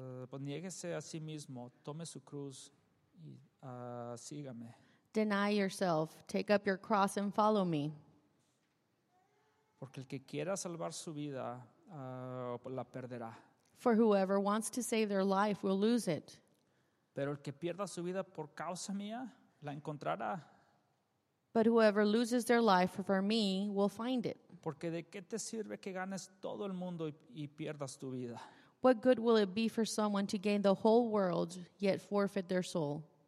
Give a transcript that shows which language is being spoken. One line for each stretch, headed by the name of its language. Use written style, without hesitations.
Spanish: pues niéguese a sí mismo, tome su cruz y sígame.
English: Deny yourself, take up your cross and follow me.
Spanish: Porque el que quiera salvar su vida, la perderá.
English: For whoever wants to save their life will lose it.
Spanish: Pero el que pierda su vida por causa mía, la encontrará.
English: But whoever loses their life for me will find it.
Spanish: Porque de qué te sirve que ganes todo el mundo y pierdas tu vida.
English: What good will it be for someone to gain the whole world yet forfeit their soul?